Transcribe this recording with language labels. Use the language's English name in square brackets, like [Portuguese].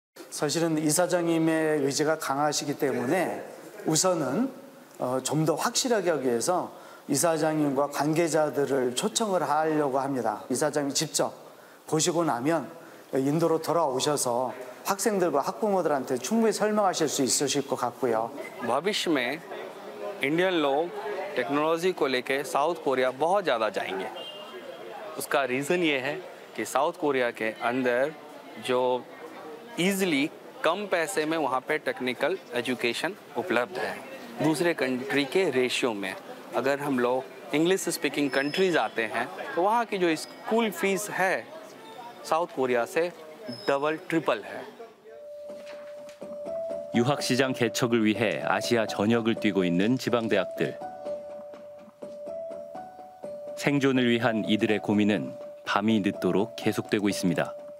[Korean] 사실은 이사장님의 의지가 강하시기 때문에 우선은 좀 더 확실하게 하기 위해서 이사장님과 관계자들을 초청을 하려고 합니다. 이사장님 직접 보시고 나면 인도로 돌아오셔서 학생들과 학부모들한테 충분히 설명하실 수 있으실 것 같고요. [Hindi] 마비심에 Indian लोग technology को लेके साउथ कोरिया बहुत ज़्यादा जाएंगे उसका रीज़न ये है कि साउथ कोरिया के अंदर जो ईजिली कम पैसे में वहाँ पे टेक्निकल एजुकेशन उपलब्ध है दूसरे कंट्री के रेशियो में. अगर हम लोग इंग्लिश स्पीकिंग कंट्रीज आते हैं तो वहाँ की जो स्कूल फीस है साउथ कोरिया से डबल ट्रिपल है. [Korean] 유학시장 개척을 위해 아시아 전역을 뛰고 있는 지방대학들. 생존을 위한 이들의 고민은 밤이 늦도록 계속되고 있습니다.